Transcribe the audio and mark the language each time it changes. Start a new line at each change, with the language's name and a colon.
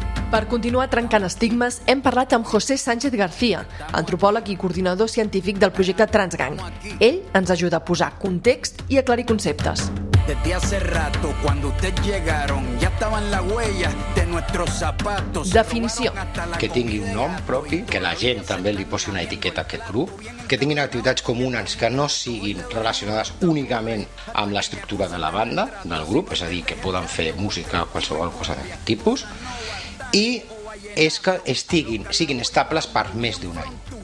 Catalan: Per continuar trencant estigmes, hem parlat amb José Sánchez García, antropòleg i coordinador científic del projecte Transgang. Ell ens ajuda a posar context i aclarir conceptes.
Spanish: Desde hace rato, cuando ustedes llegaron, ya estaban las huellas de nuestros zapatos.
Catalan: Definició. Que tingui un nom propi, que la gent també li posi una etiqueta a aquest grup, que tinguin activitats comunes que no siguin relacionades únicament amb l'estructura de la banda, del grup, és a dir, que poden fer música o qualsevol cosa d'aquest tipus, i és que siguin estables per més d'un any.